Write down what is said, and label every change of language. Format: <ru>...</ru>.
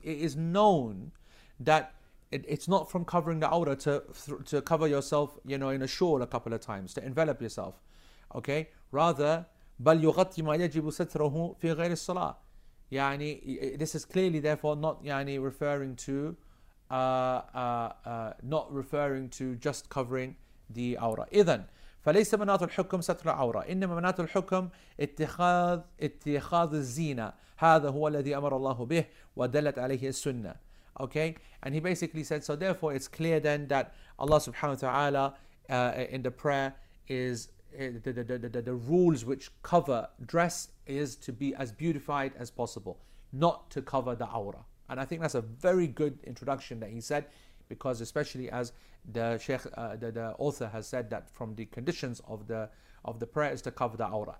<en>It is known that it's not from covering the awrah to cover yourself, you know, in a shawl a couple of times, to envelop yourself, okay?</en> <ar>Rather, بَلْ يُغَطِّي مَا يَجِبُ سَتْرَهُ فِي غَيْرِ الصَّلَاةِ.</ar> <en>يعني, this is clearly, therefore, not يعني, referring to not referring to just covering the awrah.</en> <ar>إذن فليس مناط الحكم ستر العورة إنما مناط الحكم اتخاذ الزينة هذا هو الذي أمر الله به ودلت عليه السنة.</ar> <en>Okay, and he basically said, so therefore it's clear then that Allah subhanahu wa ta'ala in the prayer is the rules which cover dress is to be as beautified as possible, not to cover the awrah. And I think that's a very good introduction that he said, because especially as the sheikh, the author has said, that from the conditions of the prayer is to cover the awrah.</en>